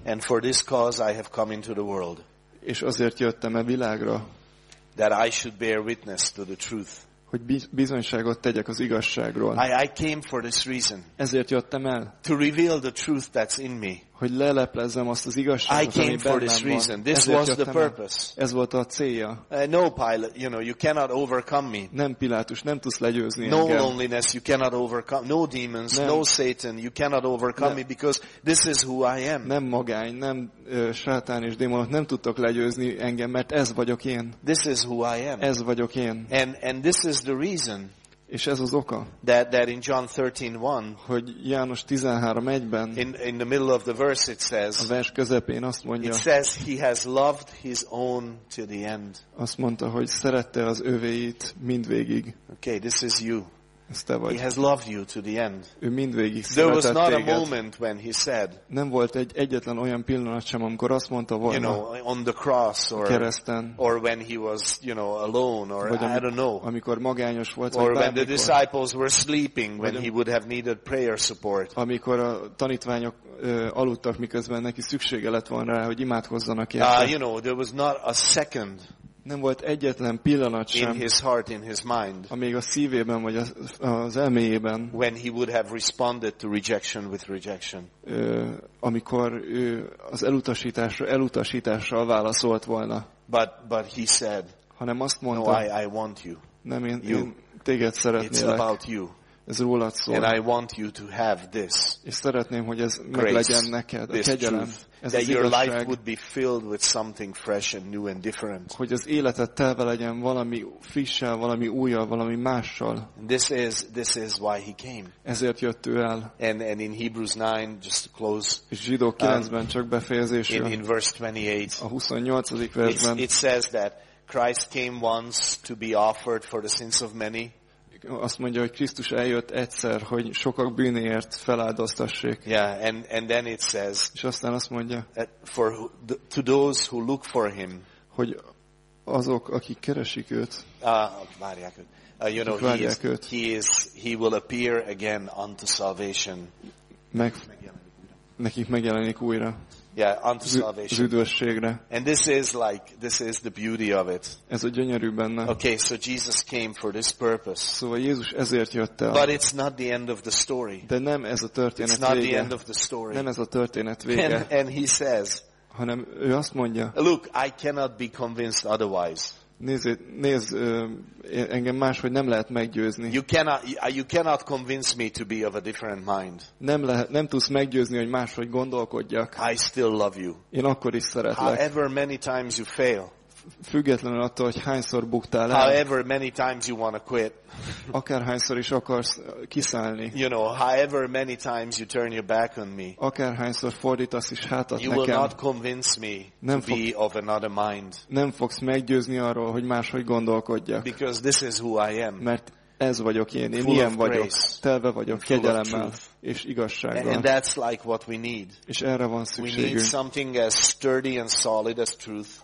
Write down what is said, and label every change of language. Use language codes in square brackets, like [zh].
[en] And for this cause I have come into the world. [hu] És azért jöttem a világra. [en] That I should bear witness to the truth. [hu] Hogy bizonyságot tegyek az igazságról. [en] I came for this reason. [hu] Ezért jöttem el. [en] To reveal the truth that's in me. [hu] Hogy leleplezzem azt az igazságot, ami bennem van. [en] I came for this reason. This was the purpose. [hu] Ez volt a célja. [en] No, Pilate, you know, you cannot overcome me. [hu] Nem, Pilátus, nem tudsz legyőzni engem. [en] No loneliness, you cannot overcome. No demons, no Satan, you cannot overcome me because this is who I am. [hu] Nem magány, nem sátán és démonok, nem tudtok legyőzni engem, mert ez vagyok én. [en] This is who I am. [hu] Ez vagyok én. [en] And this is the reason. [hu] És ez az oka. [en] That in John 13:1, [hu] hogy János 13:1-ben, [en] in the middle of the verse it says, [hu] a vers közepén azt mondja, [en] it says he has loved his own to the end. [hu] Azt mondta, hogy szerette az övéit mindvégig. [en] Okay, this is you. [hu] Ez te vagy. [en] He has loved you to the end. [hu] Ő mindvégig szeretett téged. [en] There was not a moment when he said, [hu] nem volt egyetlen olyan pillanat sem, amikor azt mondta volna, [en] you know, on the cross or [hu] kereszten, [en] or when he was, you know, alone or I don't know, [hu] amikor magányos volt, [en] or when the disciples were sleeping when he would have needed prayer support, [hu] amikor a tanítványok aludtak, miközben neki szüksége lett volna rá, hogy imádkozzanak érte. [en] You know, there was not a second. [hu] Nem volt egyetlen pillanat sem, [en] in his heart, in his mind, [hu] amíg a szívében vagy az elméjében, [en] when he would have responded to rejection with rejection, [hu] amikor ő az elutasítással válaszolt volna. [en] But he said, [hu] hanem azt mondta, [en] no, I want you. [hu] Nem, én téged szeretnélek. [en] It's about you. [hu] Ez rólad szól. [en] And I want you to have this. [hu] És szeretném, hogy ez meglegyen neked, a kegyelem. [en] That your life would be filled with something fresh and new and different. [hu] Hogy az életed telve legyen valami frissel, valami újjal, valami mással. [en] This is why he came. [hu] Ezért jött ő el. [en] And in Hebrews 9, just to close. [hu] Zsidó 9-ben csak befejezésre. [en] In verse 28. [hu] A 28. versben. [en] It says that Christ came once to be offered for the sins of many. [hu] Azt mondja, hogy Krisztus eljött egyszer, hogy sokak bűnéért feláldoztassék. [en] Yeah, and then it says, [hu] és aztán azt mondja, [en] to those who look for him, [hu] hogy azok, akik keresik őt, várják őt. [en] You know, he will appear again unto salvation. [hu] Nekik megjelenik újra. [en] Yeah, unto salvation. [hu] Üdvösségre. [en] And this is the beauty of it. [hu] Ez a gyönyörű benne. [en] Okay, so Jesus came for this purpose. [hu] Szóval Jézus ezért jött el. [en] But it's not the end of the story. [hu] De nem ez a történet [en] it's not [hu] vége. [en] The end of the story. [hu] Nem ez a történet vége. [en] And he says, [hu] hanem ő azt mondja, [en] look, I cannot be convinced otherwise. [hu] Nézd, engem máshogy nem lehet meggyőzni. [en] You cannot convince me to be of a different mind. [hu] Nem tudsz meggyőzni, hogy máshogy gondolkodjak. [en] I still love you. [hu] Én akkor is szeretlek. [en] However many times you fail. [hu] Függetlenül attól, hogy hányszor buktál el. [en] However many times you want to quit. [hu] Akárhányszor is akarsz kiszállni. [en] You know, however many times you turn your back on me. [hu] Akárhányszor fordítasz is hátat nekem. [en] You will not convince me to be of another mind. [hu] Nem fogsz meggyőzni arról, hogy máshogy gondolkodjak. [en] Because this is who I am. [hu] Mert ez vagyok én ilyen vagyok. Telve vagyok kegyelemmel és igazsággal. [en] And that's like what we need. [hu] És erre van szükségünk. [en] We need something as sturdy and solid as truth.